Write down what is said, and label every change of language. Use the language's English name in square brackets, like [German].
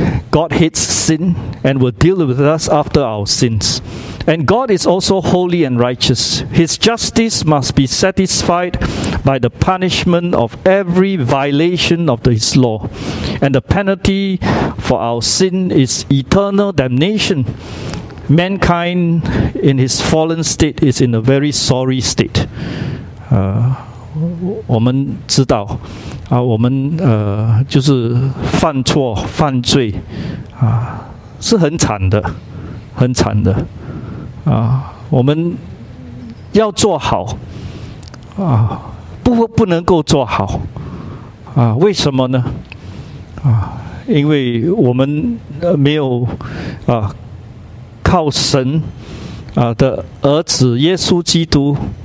[English] God hates sin and will deal with us after our sins And God is also holy and righteous His justice must be satisfied by the punishment of every violation of his law And the penalty for our sin is eternal damnation. Mankind in his fallen state is in a very sorry state. [Chinese] 我们知道我们就是犯错犯罪是很惨的很惨的我们要做好不能够做好为什么呢因为我们没有靠神的儿子耶稣基督